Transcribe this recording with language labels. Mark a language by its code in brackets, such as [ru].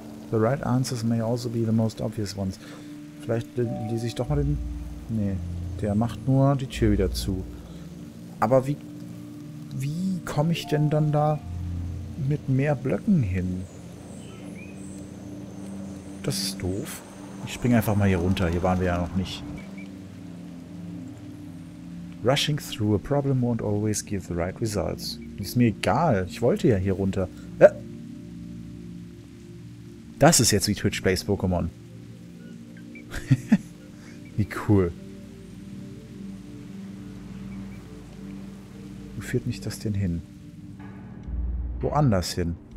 [en] The right answers may also be the most obvious ones. [de] Vielleicht lese ich doch mal den... Nee, der macht nur die Tür wieder zu. Aber wie... Wie komme ich denn dann da mit mehr Blöcken hin? Das ist doof. Ich springe einfach mal hier runter. Hier waren wir ja noch nicht. [en] Rushing through a problem won't always give the right results. [de] Ist mir egal. Ich wollte ja hier runter. Das ist jetzt wie Twitch Plays Pokémon. Wie cool. Wo führt mich das denn hin? Woanders hin?